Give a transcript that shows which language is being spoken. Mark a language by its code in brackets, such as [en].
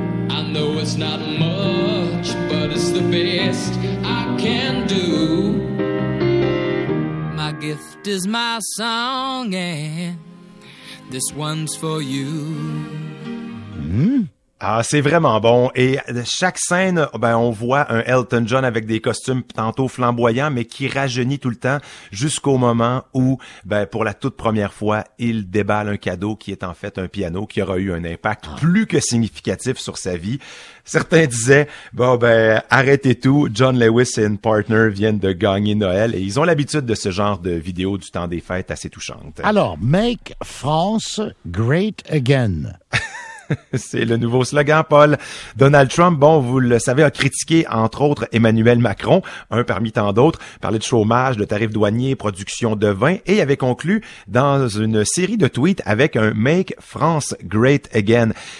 [en] I know it's not much, but it's the best I can do. Gift is my song, and this one's for you. [fr] Ah, c'est vraiment bon. Et chaque scène, ben, on voit un Elton John avec des costumes tantôt flamboyants, mais qui rajeunit tout le temps jusqu'au moment où, ben, pour la toute première fois, il déballe un cadeau qui est en fait un piano qui aura eu un impact plus que significatif sur sa vie. Certains disaient, bon, ben, arrêtez tout. John Lewis and Partner viennent de gagner Noël et ils ont l'habitude de ce genre de vidéo du temps des fêtes assez touchante. Alors, [en] make France great again. [fr] C'est le nouveau slogan, Paul. Donald Trump, bon, vous le savez, a critiqué, entre autres, Emmanuel Macron, un parmi tant d'autres, parlait de chômage, de tarifs douaniers, production de vin, et avait conclu dans une série de tweets avec un « [en] Make France Great Again ».